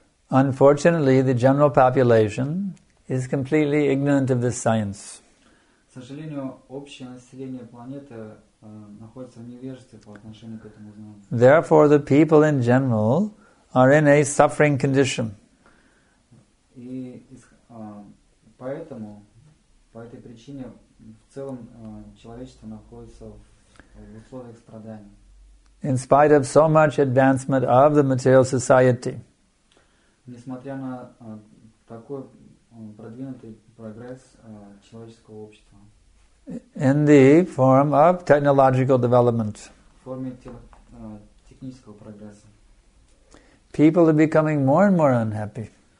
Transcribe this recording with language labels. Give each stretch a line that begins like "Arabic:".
English: Unfortunately, the general population is completely ignorant of this science.
Russian: К сожалению, общее население планеты находится в невежестве по отношению к этому знанию.
English: Therefore, the people in general are in a suffering condition.
Russian: И поэтому, по этой причине, в целом человечество находится в условиях страдания.
English: In spite of so much advancement of the material society.
Russian: Несмотря на такой продвинутый прогресс человеческого общества.
English: In the form of technological development.
Russian: В форме технического прогресса.
English: People are becoming more and more unhappy.